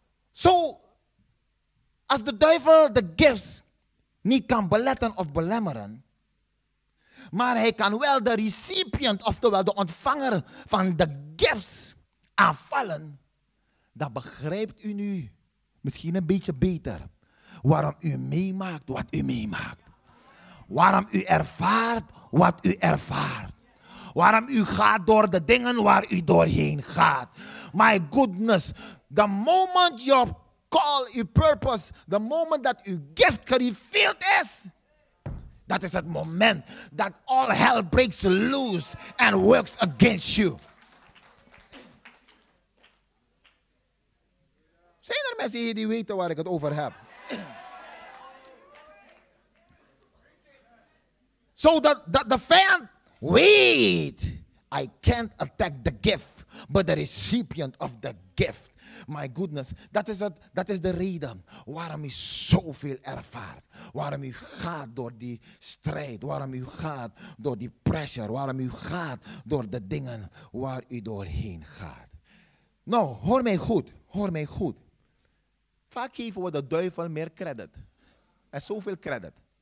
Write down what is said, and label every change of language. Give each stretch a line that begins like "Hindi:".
Dutch: Zo, als de duivel de gifts niet kan beletten of belemmeren, maar hij kan wel de recipient, oftewel de ontvanger van de gifts aanvallen, dan begrijpt u nu misschien een beetje beter waarom u meemaakt wat u meemaakt. Waarom u ervaart wat u ervaart. Waarom u gaat door de dingen waar u doorheen gaat.
English: My goodness, the moment your call, your purpose, the moment that your gift revealed is, that is
Dutch: het moment
English: that all hell breaks loose and works against you.
Dutch: Zijn er mensen hier die weten waar ik het over heb?
English: So the
Dutch: vijand weet,
English: I can't attack the gift, but the recipient of the gift.
Dutch: My goodness, dat is de reden waarom u zoveel ervaart. Waarom u gaat door die strijd, waarom u gaat door die pressure, waarom u gaat door de dingen waar u doorheen gaat. Nou, hoor mij goed. Vaak geven we de duivel meer credit. En zoveel credit.